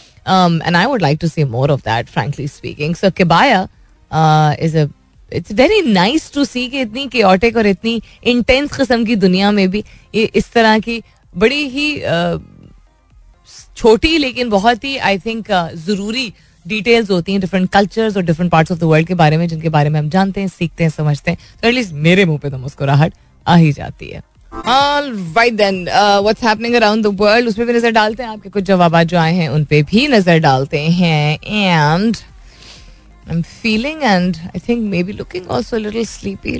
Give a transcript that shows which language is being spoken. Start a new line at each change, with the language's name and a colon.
English: And I would like to see more of that, frankly speaking. So किबाया is a, it's very nice to see
Hindi: कि इतनी chaotic और इतनी intense किस्म की दुनिया में भी ये इस तरह की बड़ी ही छोटी लेकिन बहुत ही आई थिंक ज़रूरी डिटेल्स होती हैं डिफरेंट कल्चर्स और different parts of the world के बारे में, जिनके बारे में हम जानते हैं, सीखते हैं, समझते हैं. तो एटलीस्ट मेरे मुंह पे तो मुस्कुराहट आ ही जाती है.
English: All right then, what's happening around the world?
Hindi: उस पे भी नजर डालते हैं, आपके कुछ जवाब जो आए हैं उन पे भी नजर डालते हैं.
English: And I'm feeling and I think maybe looking also a little sleepy.